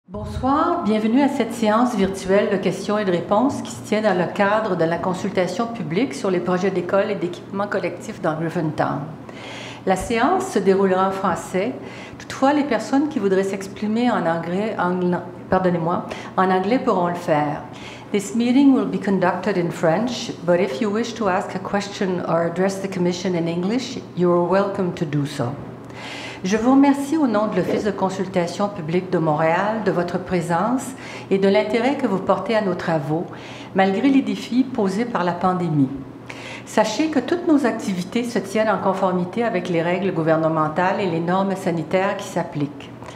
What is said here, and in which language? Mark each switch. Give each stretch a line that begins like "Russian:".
French: Bonsoir, bienvenue à cette séance virtuelle de questions et de réponses qui se tient dans le cadre de la consultation publique sur les projets d'école et d'équipement collectif dans Griffintown. La séance se déroulera en français. Toutefois, les personnes qui voudraient s'exprimer en anglais pourront le faire.
English: This meeting will be conducted in French, but if you wish to ask a question or address the commission in English, you are welcome to do so.
French: Je vous remercie au nom de l'Office de consultation publique de Montréal de votre présence et de l'intérêt que vous portez à nos travaux, malgré les défis posés par la pandémie. Sachez que toutes nos activités se tiennent en conformité avec les règles gouvernementales et les normes sanitaires qui s'appliquent.